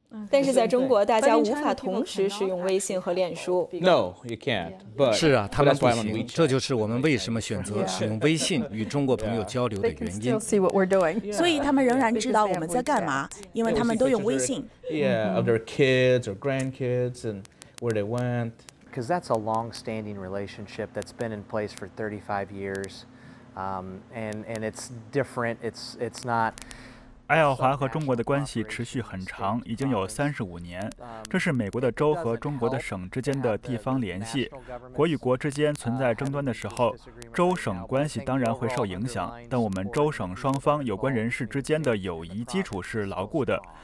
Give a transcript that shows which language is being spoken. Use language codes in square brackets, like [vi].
[zh] 但是在中国，大家无法同时使用微信和脸书。 [en] No, you can't. But [zh] 是啊，他们不行。这就是我们为什么选择使用微信与中国朋友交流的原因。 [en] They can still see what we're doing. [zh] 所以他们仍然知道我们在干嘛，因为他们都用微信。 [en] Yeah, of their kids or grandkids and where they went. Because that's a long-standing relationship that's been in place for 35 years, and it's different. It's not. [zh] 爱奥华和中国的关系持续很长，已经有35年。这是美国的州和中国的省之间的地方联系。国与国之间存在争端的时候，州省关系当然会受影响，但我们州省双方有关人士之间的友谊基础是牢固的。